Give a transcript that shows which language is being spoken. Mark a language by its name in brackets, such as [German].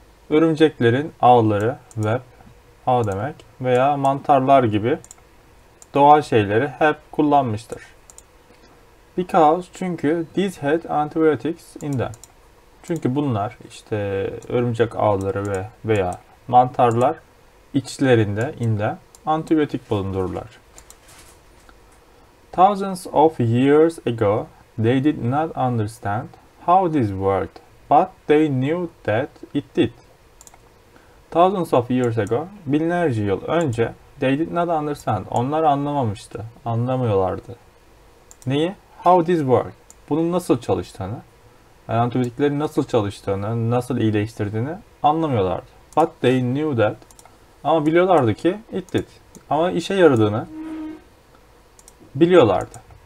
[Turkish] Örümceklerin ağları, web, ağ demek veya mantarlar gibi doğal şeyleri hep kullanmıştır. Because, çünkü [English] these had antibiotics in them. [Turkish] Çünkü bunlar işte örümcek ağları ve veya mantarlar içlerinde inde antibiyotik bulundururlar. [English] Thousands of years ago, they did not understand how this worked, but they knew that it did. Thousands of years ago, [Turkish] binlerce yıl önce, [English] they did not understand. [Turkish] Onlar anlamamıştı, anlamıyorlardı. Neyi? [English] How this worked. [Turkish] Bunun nasıl çalıştığını, antibiyotiklerin nasıl çalıştığını, nasıl iyileştirdiğini anlamıyorlardı. [English] But they knew that. [Turkish] Ama biliyorlardı ki [English] it did. [Turkish] Ama işe yaradığını biliyorlardı.